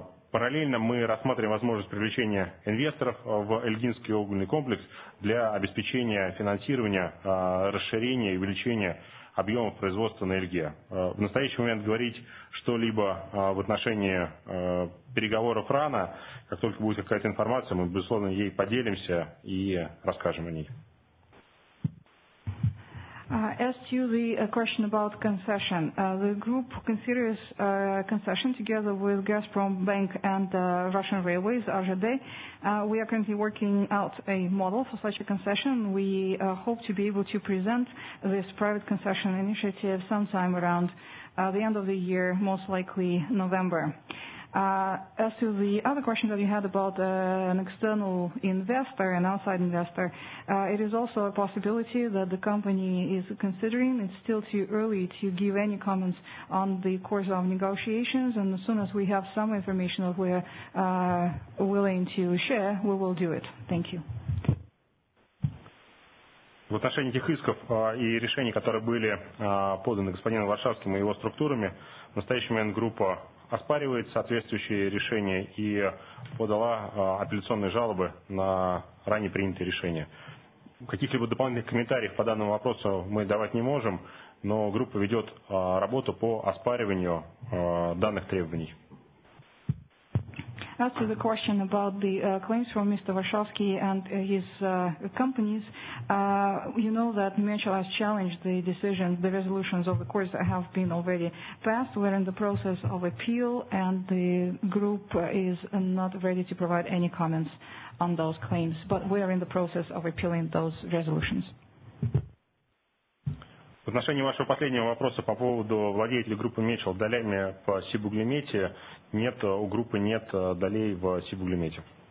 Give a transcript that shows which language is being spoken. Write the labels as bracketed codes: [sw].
[ru] Параллельно мы рассматриваем возможность привлечения инвесторов в Эльгинский угольный комплекс для обеспечения финансирования, расширения и увеличения объемов производства на Эльге. В настоящий момент говорить что-либо в отношении переговоров рано. Как только будет какая-то информация, мы, безусловно, ей поделимся и расскажем о ней. [en] As to the question about concession, the group considers concession together with Gazprom Bank and Russian Railways, RZD. We are currently working out a model for such a concession. We hope to be able to present this private concession initiative sometime around the end of the year, most likely November. As to the other question that you had about an external investor, an outside investor, it is also a possibility that the company is considering. It's still too early to give any comments on the course of negotiations, and as soon as we have some information that we're willing to share, we will do it. Thank you. [ru] В отношении этих исков и решений, которые были поданы господином Варшавским и его структурами, в настоящий момент группа оспаривает соответствующие решения и подала апелляционные жалобы на ранее принятые решения. Каких-либо дополнительных комментариев по данному вопросу мы давать не можем, но группа ведет работу по оспариванию данных требований. [en] As to the question about the claims from Mr. Warshawski and his companies, you know that Mitchell has challenged the decision, the resolutions of the courts that have been already passed. We're in the process of appeal, and the group is not ready to provide any comments on those claims, but we are in the process of appealing those resolutions. [ru] отношении вашего последнего вопроса по поводу владеть ли группы Мечел долями по Сибуглимете, нет, у группы нет долей в Сибуглимете.